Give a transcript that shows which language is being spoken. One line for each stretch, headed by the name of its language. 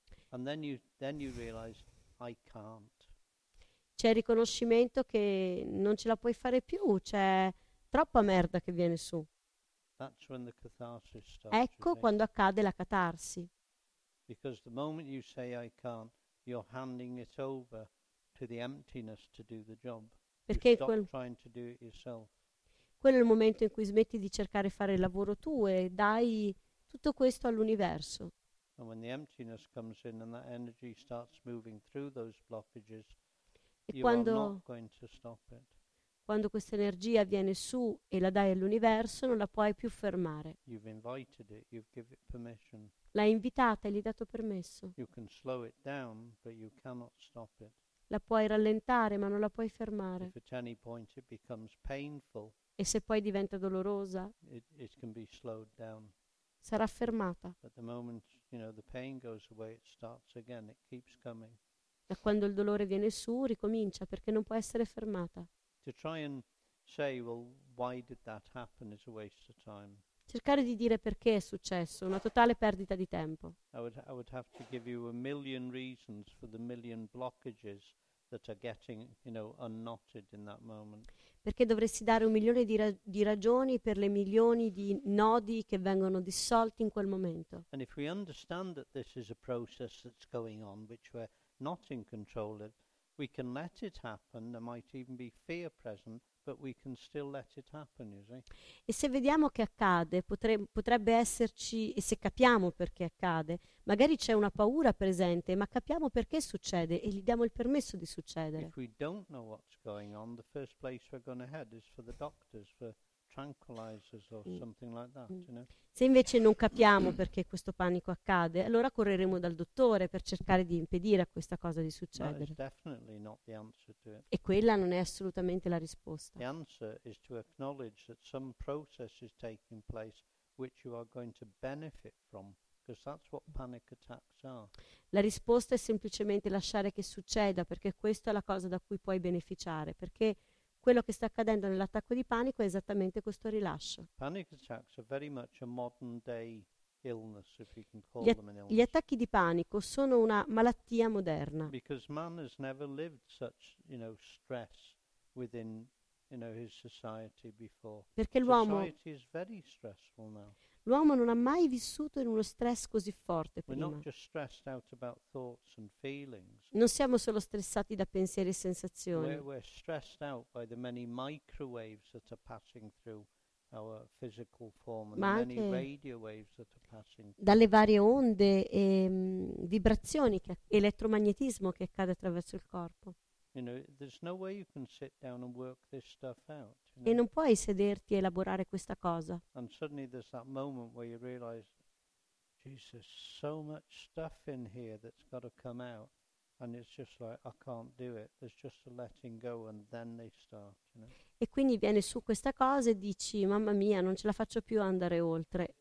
English: And then you realize, I can't.
Italian: C'è riconoscimento che non ce la puoi fare più, c'è troppa merda che viene su.
English: That's when the catharsis starts.
Italian: Ecco quando accade la catarsi.
English: Because the moment you say I can't, you're handing it over to the emptiness to do the job.
Italian: Perché
English: you stop trying to do it yourself.
Italian: Quello è il momento in cui smetti di cercare di fare il lavoro tuo e dai tutto questo all'universo.
English: And when the emptiness comes in and that energy starts moving through those blockages,
Italian: quando,
English: you are not going to stop it.
Italian: Quando questa energia viene su e la dai all'universo, non la puoi più fermare.
English: You've invited it, you've given it permission.
Italian: L'hai invitata e gli hai dato permesso.
English: You can slow it down, but you cannot stop it.
Italian: La puoi rallentare, ma non la puoi fermare.
English: If at any point it becomes painful,
Italian: e se poi diventa dolorosa,
English: it can be slowed down.
Italian: Sarà fermata.
English: But the moment, you know, the pain goes away, it starts again, it keeps coming.
Italian: Da quando il dolore viene su, ricomincia, perché non può essere fermata.
English: To try and say, well, why did that happen is a waste of time.
Italian: Cercare di dire perché è successo, una totale perdita di tempo.
English: I would have to give you a million reasons for the million blockages that are getting, you know, unknotted in that moment.
Italian: Perché dovresti dare un milione di ragioni per le milioni di nodi che vengono dissolti in quel momento.
English: And if we understand that this is a process that's going on, which we're not in control of, we can let it happen, there might even be fear present, but we can still let it happen, you see?
Italian: E se vediamo che accade, potrebbe esserci, e se capiamo perché accade, magari c'è una paura presente, ma capiamo perché succede e gli diamo il permesso di succedere.
English: If we don't know what's going on, the first place we're going to head is for the doctors, for tranquilizers or something like that, you know?
Italian: Se invece non capiamo perché questo panico accade, allora correremo dal dottore per cercare di impedire a questa cosa di succedere.
English: That is definitely not the answer to it.
Italian: E quella non è assolutamente la risposta.
English: The answer is to acknowledge that some process is taking place which you are going to benefit from, because that's what panic attacks are.
Italian: La risposta è semplicemente lasciare che succeda, perché questa è la cosa da cui puoi beneficiare, perché quello che sta accadendo nell'attacco di panico è esattamente questo rilascio.
English: Panic attacks are very much a modern day illness, if you can call them an illness.
Italian: Gli attacchi di panico sono una malattia moderna.
English: Because man has never lived such, you know, stress within, you know, his society before.
Italian: Perché l'uomo,
English: society is very stressful now.
Italian: L'uomo non ha mai vissuto in uno stress così forte prima.
English: We're not just stressed out about thoughts and feelings.
Italian: Non siamo solo stressati da pensieri e sensazioni.
English: We're stressed out by the many microwaves that are passing through our physical form and
Italian: ma
English: the many radio waves that are passing through.
Italian: Dalle varie onde e vibrazioni, elettromagnetismo che accade attraverso il corpo.
English: You know, there's no way you can sit down and work this stuff out.
Italian: E non puoi sederti e elaborare questa cosa.
English: And suddenly there's that moment where you realize, Jesus, so much stuff in here that's got to come out. And it's just like, I can't do it. There's just a letting go and then they start, you know?
Italian: E quindi viene su questa cosa e dici, mamma mia, non ce la faccio più andare oltre.